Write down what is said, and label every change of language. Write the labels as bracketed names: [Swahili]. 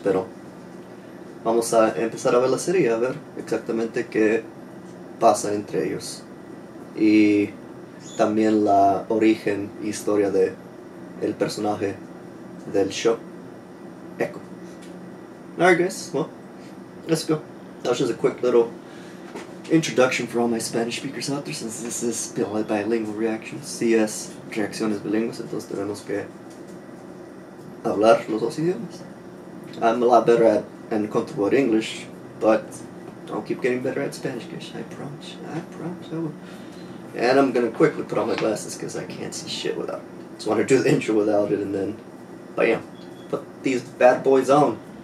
[Spanish] Pero vamos a empezar a ver la serie, a ver exactamente qué pasa entre ellos. Y también la origen y historia de el personaje del show. [English] Echo. Alright guys, well, let's go. That was just a quick little introduction for all my Spanish speakers out there, since this is bilingual reaction. [Spanish] Si es reacciones bilingües, entonces tenemos que hablar los dos idiomas. [English] I'm a lot better at and comfortable with English, but I'll keep getting better at Spanish, guys. I promise. I will. And I'm gonna quickly put on my glasses because I can't see shit without it. Just want to do the intro without it, and then, bam, put these bad boys on.